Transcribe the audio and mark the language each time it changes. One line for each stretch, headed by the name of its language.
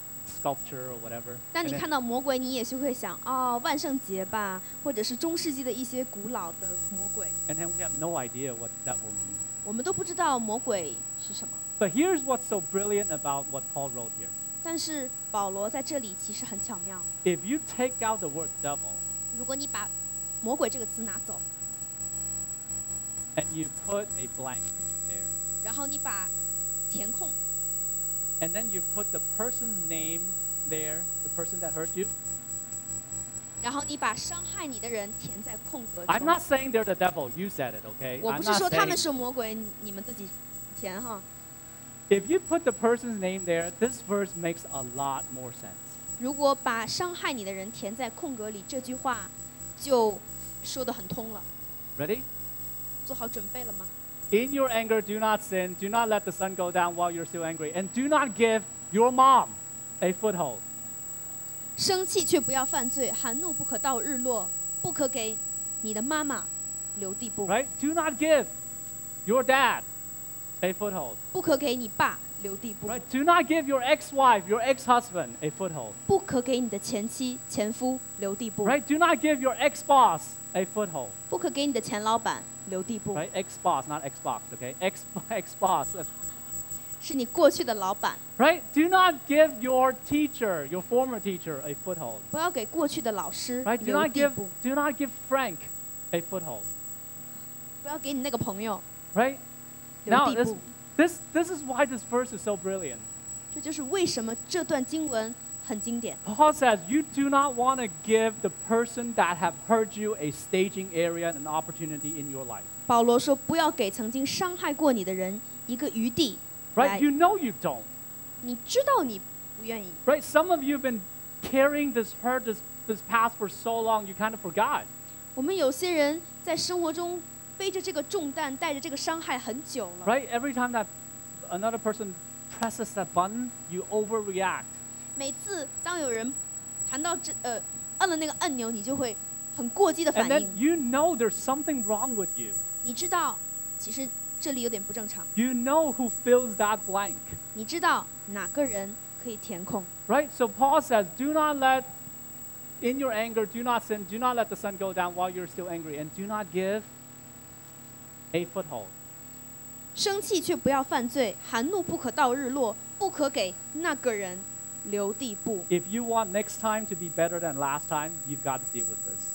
English: Sculpture or whatever.
Chinese: 当你看到魔鬼，你也许会想，哦，万圣节吧，或者是中世纪的一些古老的魔鬼。
English: And then we have no idea what devil means.
Chinese: 我们都不知道魔鬼是什么。
English: But here's what's so brilliant about what Paul wrote here.
Chinese: 但是保罗在这里其实很巧妙。
English: If you take out the word devil,
Chinese: 如果你把魔鬼这个词拿走
English: ，and you put a blank there,
Chinese: 然后你把填空。
English: And then you put the person's name there, the person that hurt you.
Chinese: 然后你把伤害你的人填在空格中。
English: I'm not saying they're the devil. You said it, okay?
Chinese: 我不是说他们是魔鬼，你们自己填哈。
English: If you put the person's name there, this verse makes a lot more sense.
Chinese: 如果把伤害你的人填在空格里，这句话就说得很通了。
English: Ready?
Chinese: 做好准备了吗？
English: In your anger, do not sin. Do not let the sun go down while you're still angry. And do not give your mom a foothold.
Chinese: 生气却不要犯罪，含怒不可到日落，不可给你的妈妈留地步。
English: Right? Do not give your dad a foothold.
Chinese: 不可给你爸留地步。
English: Right? Do not give your ex-wife, your ex-husband a foothold.
Chinese: 不可给你的前妻、前夫留地步。
English: Right? Do not give your ex-boss a foothold.
Chinese: 不可给你的前老板。留地步
English: right, ex-boss, not Xbox, okay? Ex-boss.
Chinese: 是你过去的老板
English: Right? Do not give your teacher, your former teacher, a foothold.
Chinese: 不要给过去的老师
English: Right? Do not give Frank a foothold.
Chinese: 不要给你那个朋友
English: Right? Now, this is why this verse is so brilliant.
Chinese: 这就是为什么这段经文很经典
English: Paul says, you do not want to give the person that have hurt you a staging area and an opportunity in your life.
Chinese: 保罗说不要给曾经伤害过你的人一个余地
English: Right, you know you don't.
Chinese: 你知道你不愿意
English: Right, some of you have been carrying this hurt, this past for so long, you kind of forgot.
Chinese: 我们有些人在生活中背着这个重担带着这个伤害很久了
English: Right, every time that another person presses that button, you overreact.
Chinese: 每次当有人谈到这按了那个按钮，你就会很过激的反应。
English: And then you know there's something wrong with you.
Chinese: 你知道其实这里有点不正常。
English: You know who fills that blank.
Chinese: 你知道哪个人可以填空。
English: Right? So Paul says, do not let in your anger, do not sin, do not let the sun go down while you're still angry, and do not give a foothold.
Chinese: 生气却不要犯罪，含怒不可到日落，不可给那个人。留地步。
English: If you want next time to be better than last time, you've got to deal with this.